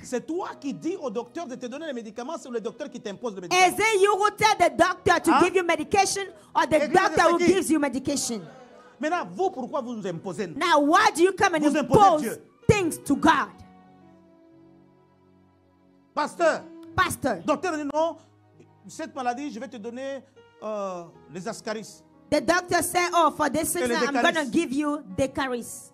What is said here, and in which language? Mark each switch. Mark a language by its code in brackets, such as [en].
[fr] C'est toi qui dis au docteur de te donner les médicaments, c'est le docteur qui t'impose le [en] médicament. Is it you who tell the doctor to give you medication or the doctor who gives you medication? [fr] Maintenant, vous, pourquoi vous nous imposez? [en] Now, why do you come and [fr] vous [en] impose things to God? [fr] Pasteur. Docteur, non, cette maladie, je vais te donner les ascaris. [en] The doctor said, oh, for this sickness, I'm going to give you decaris.